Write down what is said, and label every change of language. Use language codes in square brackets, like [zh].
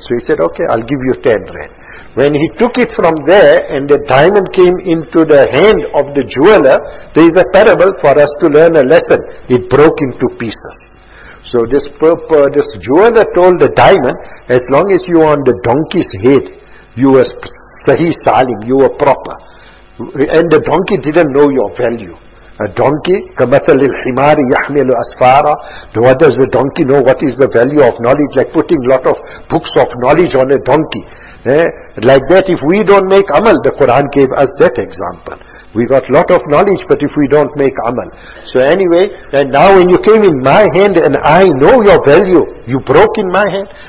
[en] So he said, okay, I'll give you 10 rand. When he took it from there, and the diamond came into the hand of the jeweler, there is a parable for us to learn a lesson. It broke into pieces. So this jeweler told the diamond, as long as you are on the donkey's head, you are sahih salim, you are proper. And the donkey didn't know your value. A donkey, [ar] كَمَثَلْ الْحِمَارِ يَحْمِلُ أَسْفَارًا. [en] What does the donkey know? What is the value of knowledge? Like putting lot of books of knowledge on a donkey. Like that, if we don't make amal, the Quran gave us that example. We got lot of knowledge, but if we don't make amal. So anyway, and now when you came in my hand and I know your value, you broke in my hand.